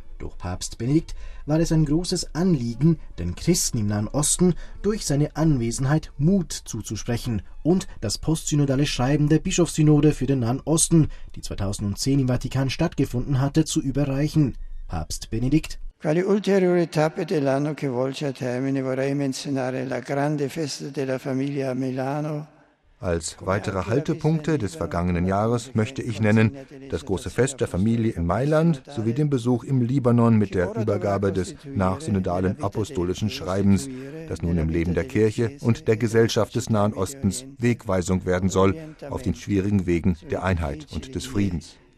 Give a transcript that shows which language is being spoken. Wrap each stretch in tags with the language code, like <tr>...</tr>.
<de>Durch Papst Benedikt war es ein großes Anliegen, den Christen im Nahen Osten durch seine Anwesenheit Mut zuzusprechen und das postsynodale Schreiben der Bischofssynode für den Nahen Osten, die 2010 im Vatikan stattgefunden hatte, zu überreichen. Papst Benedikt:</de> <it>Quali ulteriore tappe dell'anno che volge a termine vorrei menzionare la grande festa della famiglia a Milano.</it> <de>Als weitere Haltepunkte des vergangenen Jahres möchte ich nennen das große Fest der Familie in Mailand sowie den Besuch im Libanon mit der Übergabe des nachsynodalen apostolischen Schreibens, das nun im Leben der Kirche und der Gesellschaft des Nahen Ostens Wegweisung werden soll auf den schwierigen Wegen der Einheit und des Friedens.</de>